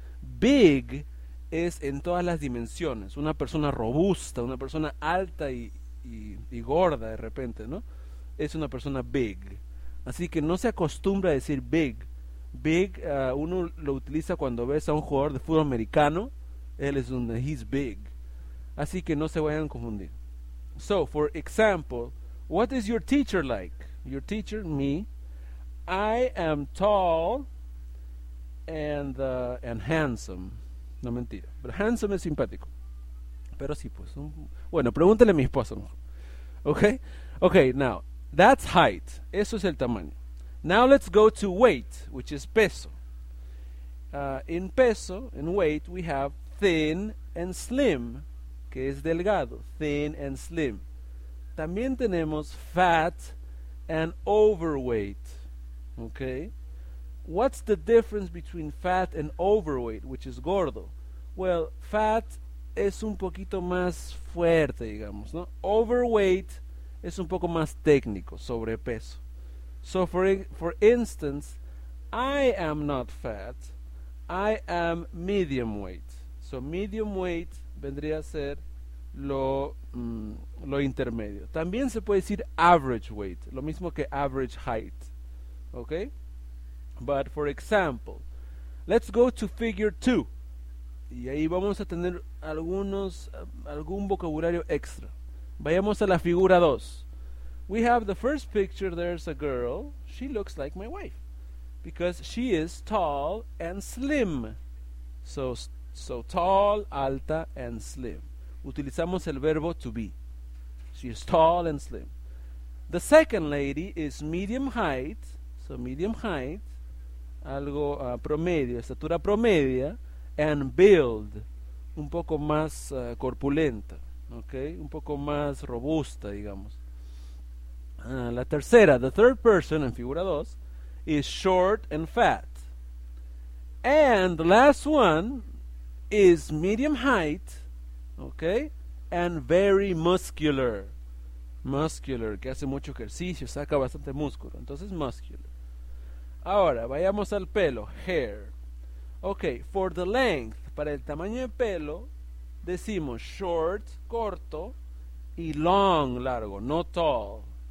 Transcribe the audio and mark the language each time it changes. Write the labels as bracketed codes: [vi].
[es] Big es en todas las dimensiones, una persona robusta, una persona alta y gorda de repente, ¿no? Es una persona big. Así que no se acostumbra a decir big. Big, uno lo utiliza cuando ves a un jugador de fútbol americano, él es un [en] he's big. [es] Así que no se vayan a confundir. [en] So, for example, what is your teacher like? Your teacher, me, I am tall and handsome. [es] No, mentira. But handsome es simpático. Pero sí, pues. Bueno, pregúntale a mi esposo. Okay? [en] Okay, now, that's height. [es] Eso es el tamaño. [en] Now let's go to weight, which is peso. In peso, in weight, we have thin and slim, [es] que es delgado. [en] Thin and slim. También tenemos fat and overweight. Okay? What's the difference between fat and overweight, which is gordo? [es] Well, fat es un poquito más fuerte, digamos, ¿no? Overweight es un poco más técnico, sobrepeso. [en] So, for instance, I am not fat, I am medium weight. [es] So, medium weight vendría a ser lo intermedio. También se puede decir average weight, lo mismo que average height, okay? [en] But, for example, let's go to figure 2. [es] Y ahí vamos a tener algún vocabulario extra. Vayamos a la figura 2. [en] We have the first picture, there's a girl. She looks like my wife. Because she is tall and slim. So tall, [es] alta, and slim. Utilizamos el verbo to be. [en] She is tall and slim. The second lady is medium height. So medium height. [es] Algo promedio, estatura promedia. [en] And build, [es] un poco más corpulenta, okay? Un poco más robusta, digamos. La tercera, [en] the third person [es] en figura 2, is short and fat. [en] And the last one is medium height, okay? And very muscular. [es] Muscular, que hace mucho ejercicio, saca bastante músculo. Entonces, muscular. Ahora, vayamos al pelo, hair. Okay, [en] for the length, [es] para el tamaño de pelo, decimos short, corto, y long, largo, no tall.